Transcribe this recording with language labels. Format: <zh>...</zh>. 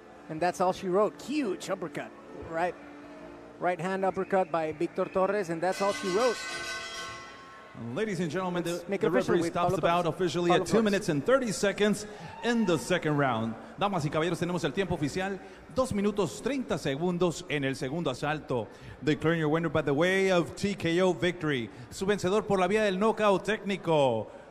<en>And that's all she wrote. Huge uppercut. Right. Right hand uppercut by Victor Torres, and that's all she wrote. Ladies and gentlemen, the referee stops the bout officially at 2 minutes and 30 seconds in the second round.</en> <es>Damas y caballeros, tenemos el tiempo oficial, 2 minutos 30 segundos en el segundo asalto.</es> <en>Declaring your winner by the way of TKO victory.</en> <es>Su vencedor por la vía del knockout técnico.</es>